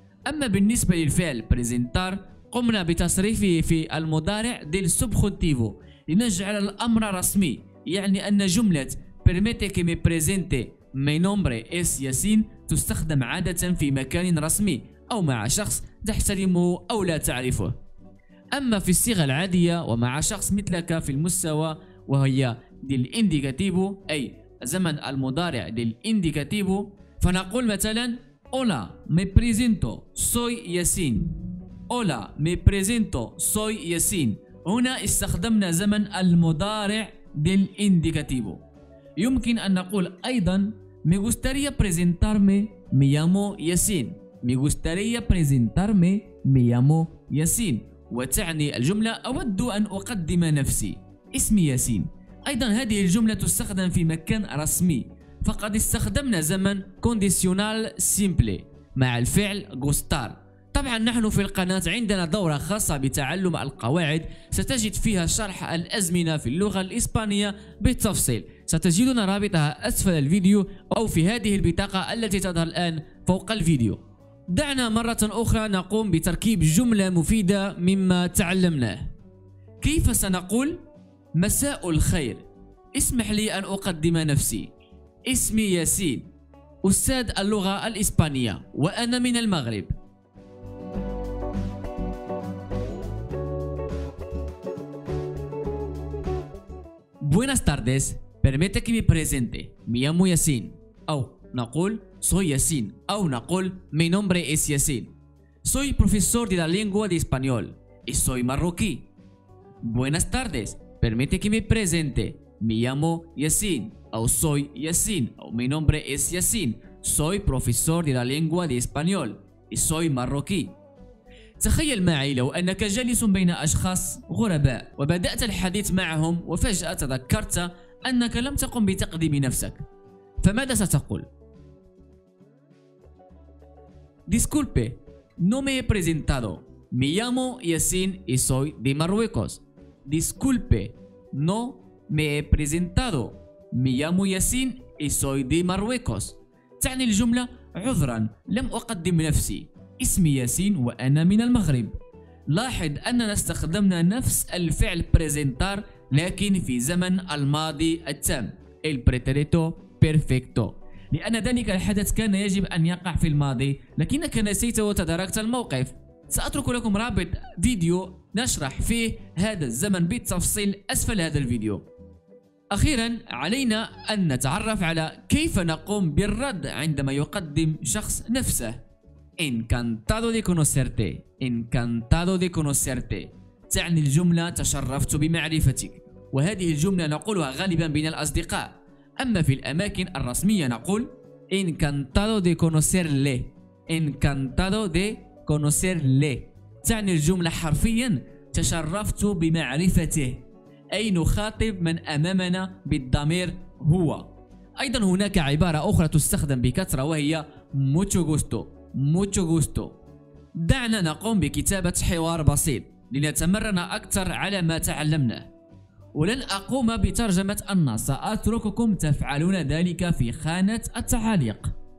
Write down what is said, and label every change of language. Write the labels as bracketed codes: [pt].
[ar] أما بالنسبة للفعل presentar قمنا بتصريفه في المضارع del subjuntivo لنجعل الأمر رسمي يعني أن جملة [es] permitir que me presente mi nombre es [ar] ياسين تستخدم عادة في مكان رسمي أو مع شخص تحترمه أو لا تعرفه. أما في الصيغة العادية ومع شخص مثلك في المستوى وهي للإنديكاتيبو أي زمن المضارع للإنديكاتيبو فنقول مثلا [es] Hola, me presento, soy ياسين. Hola, me presento, soy ياسين. [ar] هنا استخدمنا زمن المضارع للإنديكاتيفو. يمكن أن نقول أيضا [es] Me gustaría presentarme, me llamo ياسين. Me gustaría presentarme, me llamo ياسين. [ar] وتعني الجملة أود أن أقدم نفسي اسمي ياسين. أيضا هذه الجملة تستخدم في مكان رسمي فقد استخدمنا زمن conditional simple مع الفعل gustar. طبعا نحن في القناة عندنا دورة خاصة بتعلم القواعد ستجد فيها شرح الأزمنة في اللغة الإسبانية بالتفصيل، ستجدون رابطها أسفل الفيديو أو في هذه البطاقة التي تظهر الآن فوق الفيديو. دعنا مرة أخرى نقوم بتركيب جملة مفيدة مما تعلمناه. كيف سنقول مساء الخير؟ اسمح لي أن أقدم نفسي، اسمي ياسين، أستاذ اللغة الإسبانية وأنا من المغرب. [es] Buenas tardes, permite que me presente. Me llamo Yasin. [ar] أو نقول [es] soy Yasin. [ar] أو نقول [es] mi nombre es Yasin. Soy profesor de la lengua de español y soy marroquí. Buenas tardes, permite que me presente. Me llamo Yasin. أو soy Yasin. أو mi nombre es Yasin. Soy profesor de la lengua de español y soy marroquí. [ar] تخيل معي لو أنك جالس بين أشخاص غرباء وبدأت الحديث معهم وفجأة تذكرت أنك لم تقم بتقديم نفسك، فماذا ستقول؟ [es] Disculpe, no me he presentado. Me llamo Yasin y soy de Marruecos. Disculpe, no me he presentado. Me llamo Yasin y soy de Marruecos. [ar] تعني الجملة عذرا لم أقدم نفسي، اسمي ياسين وأنا من المغرب. لاحظ أننا استخدمنا نفس الفعل presentar لكن في زمن الماضي التام El pretérito perfecto، لأن ذلك الحدث كان يجب أن يقع في الماضي لكنك نسيت وتداركت الموقف. سأترك لكم رابط فيديو نشرح فيه هذا الزمن بالتفصيل أسفل هذا الفيديو. أخيرا علينا أن نتعرف على كيف نقوم بالرد عندما يقدم شخص نفسه. [es] Encantado de conocerte. Encantado de conocerte. [ar] تعني الجملة تشرفت بمعرفتك، وهذه الجملة نقولها غالبا بين الأصدقاء. أما في الأماكن الرسمية نقول [es] Encantado de conocerle. Encantado de conocerle. [ar] تعني الجملة حرفيا تشرفت بمعرفته، أي نخاطب من أمامنا بالضمير هو. أيضا هناك عبارة أخرى تستخدم بكثرة وهي [es] Mucho gusto. Mucho gusto. [ar] دعنا نقوم بكتابة حوار بسيط لنتمرن أكثر على ما تعلمنا، ولن أقوم بترجمة النص، سأترككم تفعلون ذلك في خانة التعليق.